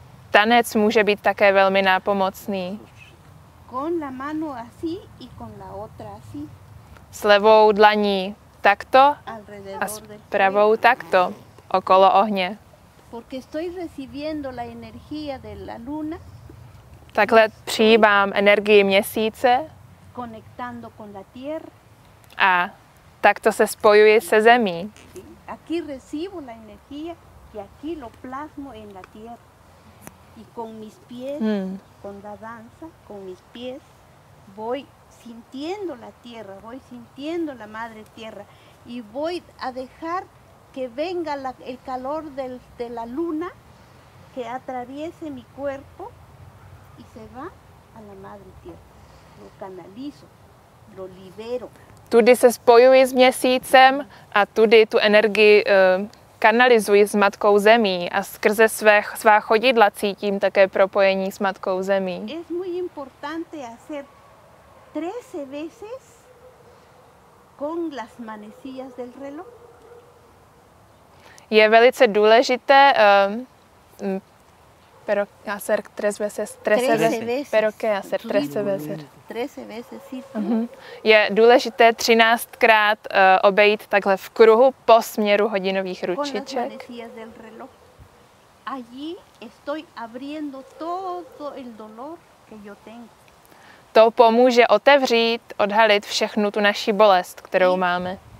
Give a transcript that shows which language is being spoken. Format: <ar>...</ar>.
<cs>Tanec může být také velmi nápomocný.</cs> <es>Con la mano así y con la otra así.</es> <cs>S levou dlaní takto a s pravou takto okolo ohně.</cs> <es>Porque estoy recibiendo la energía de la luna.</es> <cs>Takhle přijímám energii měsíce.</cs> <es>Conectando con la tierra.</es> <cs>A takto se spojuji se zemí.</cs> <es>Aquí recibo la energía y aquí lo plasmo en la tierra. Y con mis pies, con la danza, con mis pies, voy sintiendo la tierra, voy sintiendo la madre tierra y voy a dejar que venga el calor de la luna que atraviese mi cuerpo y se va a la madre tierra. Lo canalizo, lo libero.</es> <cs>Tudy se spojuji s měsícem a tudy tu energii kanalizuji s matkou zemí a skrze svá chodidla cítím také propojení s matkou zemí.</cs> <es>Es muy importante hacer 13 veces con las manecillas del reloj.</es> <cs>Je velice důležité</cs> <es>pero hacer 3 veces 13 veces. Pero qué hacer 13 veces. 13 veces, sí.</es> <cs>Je důležité 13krát obejít takhle v kruhu po směru hodinových ručiček.</cs> <es>Con las manecillas del reloj. Allí estoy abriendo todo el dolor que yo tengo.</es> <cs>To pomůže otevřít, odhalit všechnu tu naši bolest, kterou máme.</cs>